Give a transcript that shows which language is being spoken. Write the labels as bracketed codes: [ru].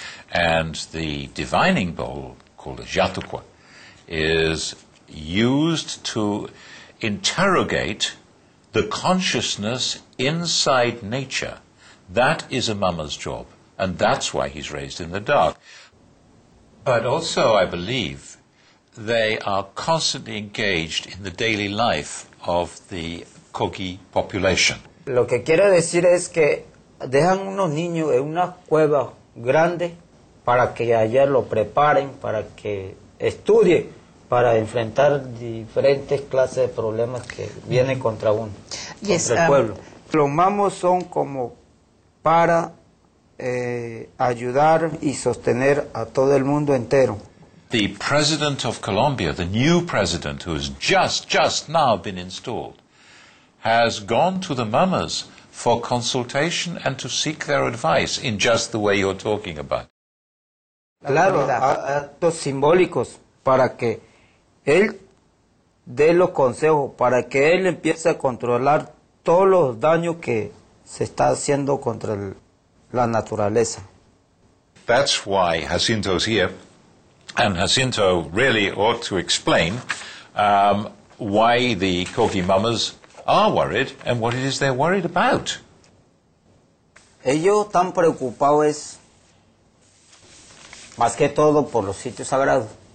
[en] And the divining bowl, called a jatukwa, is used to interrogate the consciousness inside nature. That is a mama's job, and that's why he's raised in the dark. But also, I believe, they are constantly engaged in the daily life of the Kogi population. [es] Lo que quiero decir es que dejan unos niños en una cueva grande para que allá lo preparen, para que estudie, para enfrentar diferentes clases de problemas que vienen contra uno, yes, contra el pueblo. Los mamos son como para ayudar y sostener a todo el mundo entero. [en] The president of Colombia, the new president who has just now been installed, has gone to the mamas for consultation and to seek their advice in just the way you're talking about. [es] Claro, actos simbólicos para que él dé los consejos, para que él empiece a controlar todos los daños que se está haciendo contra la naturaleza. [en] That's why Jacinto's here, and Jacinto really ought to explain why the Kogi mamas are worried and what it is they're worried about. [es] Ellos están preocupados más que todo por los sitios sagrados.